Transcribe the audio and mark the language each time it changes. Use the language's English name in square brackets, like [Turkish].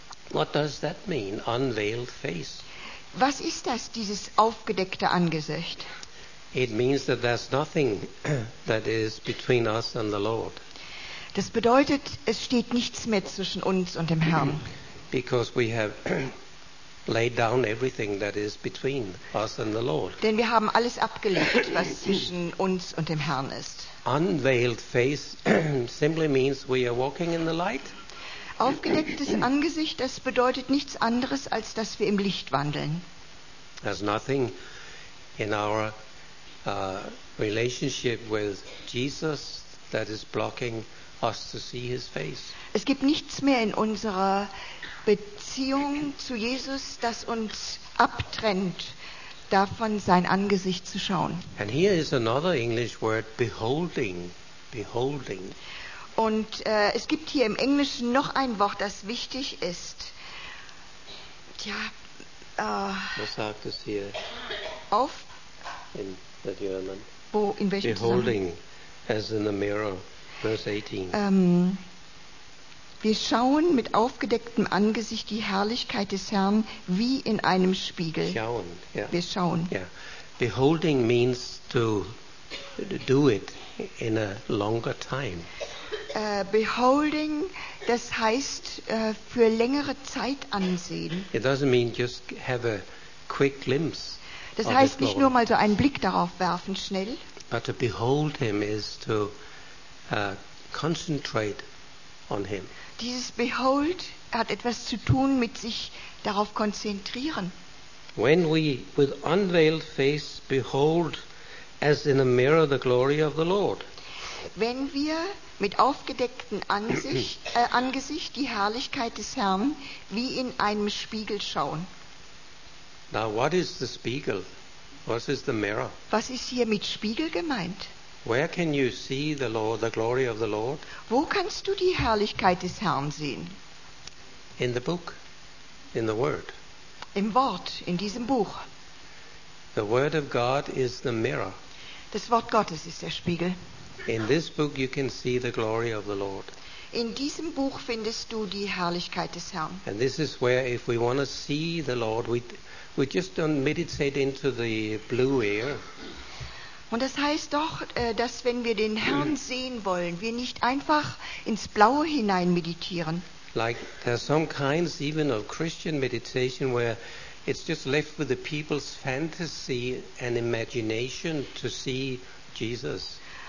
[English] What does that mean, unveiled face? [German] Was ist das, dieses aufgedeckte Angesicht? [English] It means that there's nothing that is between us and the Lord. [German] Das bedeutet, es steht nichts mehr zwischen uns und dem Herrn. [English] Because we have laid down everything that is between us and the Lord. [German] Denn wir haben alles abgelegt, was zwischen uns und dem Herrn ist. [English] Unveiled face simply means we are walking in the light. [German] Aufgedecktes Angesicht, das bedeutet nichts anderes, als dass wir im Licht wandeln. [English] There's nothing in our relationship with Jesus that is blocking us to see his face. [German] Es gibt nichts mehr in unserer Beziehung zu Jesus, das uns abtrennt, davon sein Angesicht zu schauen. [English] And here is another English word, beholding. Beholding. [German] Und es gibt hier im Englischen noch ein Wort, das wichtig ist. Tja, was sagt es hier? Auf? [English] In the German. [German] Wo, in welchem [English] beholding, [German] Zusammenhang? [English] As in the mirror, verse 18. [German] Wir schauen mit aufgedecktem Angesicht die Herrlichkeit des Herrn wie in einem Spiegel. Schauen, yeah. Wir schauen. [English] Yeah. Beholding means to do it in a longer time. [German] Beholding, das heißt für längere Zeit ansehen. [English] It doesn't mean just have a quick glimpse. [German] Das heißt nicht nur mal so einen Blick darauf werfen, schnell. [English] But to behold him is to concentrate on him. [German] Dieses Behold hat etwas zu tun mit sich darauf konzentrieren. [English] When we with unveiled face behold as in a mirror the glory of the Lord. [German] Wenn wir mit aufgedeckten Angesicht die Herrlichkeit des Herrn wie in einem Spiegel schauen. [English] Now what is the spiegel? What is the mirror? [German] Was ist hier mit Spiegel gemeint? [English] Where can you see the Lord, the glory of the Lord? [German] Wo kannst du die Herrlichkeit des Herrn sehen? [English] In the book, in the word. [German] Im Wort, in diesem Buch. [English] The word of God is the mirror. [German] Das Wort Gottes ist der Spiegel. [English] In this book you can see the glory of the Lord. [German] In diesem Buch findest du die Herrlichkeit des Herrn. [English] And this is where if we want to see the Lord, we just don't meditate into the blue air. [German] Und das heißt doch, dass wenn wir den Herrn sehen wollen, wir nicht einfach ins Blaue hinein meditieren. [English] Like there are some kinds even of Christian meditation where it's just left with the people's fantasy and imagination to see Jesus.